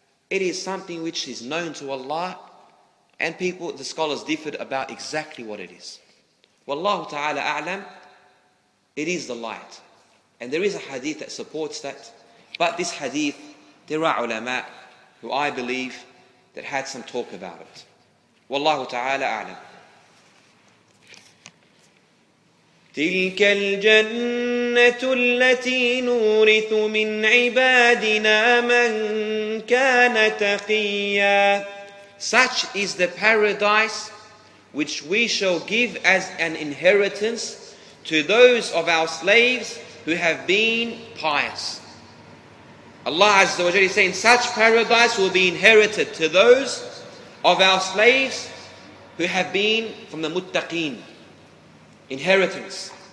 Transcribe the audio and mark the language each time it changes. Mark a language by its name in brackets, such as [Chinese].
[English] It is something which is known to Allah, and people, the scholars differed about exactly what it is. Wallahu ta'ala a'lam, it is the light. And there is a hadith that supports that. But this hadith, there are ulama who I believe that had some talk about it. Wallahu ta'ala a'lam. [Arabic] تلك الجنة التي نورث من عبادنا من كان تقيا. [English] Such is the paradise which we shall give as an inheritance to those of our slaves who have been pious. Allah Azza wa Jalla is saying such paradise will be inherited to those of our slaves who have been from the muttaqeen. Inheritance.